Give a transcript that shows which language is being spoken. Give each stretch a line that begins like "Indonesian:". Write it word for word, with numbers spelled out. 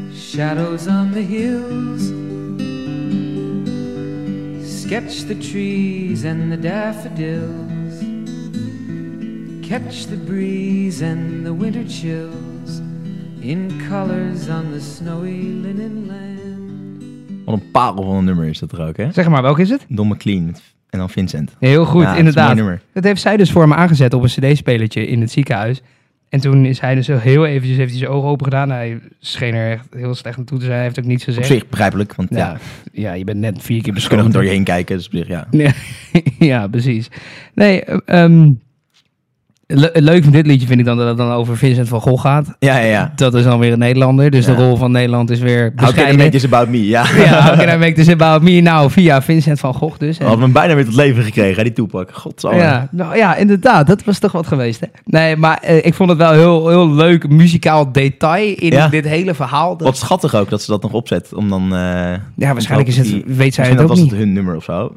English: Shadows on the hills. Sketch the trees and the daffodils. Catch the breeze and the winter chill. In colors on the snowy linen land.
Dutch: Wat een parel van een nummer is dat er ook, hè? Zeg maar, welk is het? Don McLean. en dan Vincent. Heel goed, ja, inderdaad. Dat, dat heeft zij dus voor me aangezet op een cd-spelertje in het ziekenhuis. En toen is hij dus heel eventjes, heeft hij zijn ogen open gedaan. Hij scheen er echt heel slecht aan toe te zijn. Hij heeft ook niets gezegd. Op zich begrijpelijk, want ja, ja, ja je bent net vier keer beschoten. Ze kunnen hem door je heen kijken, dus op zich, ja. Ja, ja, precies. Nee, um, le- leuk van dit liedje vind ik dan dat het dan over Vincent van Gogh gaat. Ja, ja, ja. Dat is dan weer een Nederlander, dus ja, de rol van Nederland is weer bescheiden.
English: How can I make this about me, ja. Ja, how can I make this about me?
Dutch: Nou, via Vincent van Gogh dus. We hadden hem bijna weer tot leven gekregen, hè, die Toepak. Godzalig. Ja, nou, ja, inderdaad, dat was toch wat geweest, hè? Nee, maar uh, ik vond het wel heel, heel leuk muzikaal detail in ja. dit hele verhaal. Dat... Wat schattig ook dat ze dat nog opzet, om dan... Uh, ja, waarschijnlijk is het, die, weet zij het ook dat was niet. Het hun nummer of zo.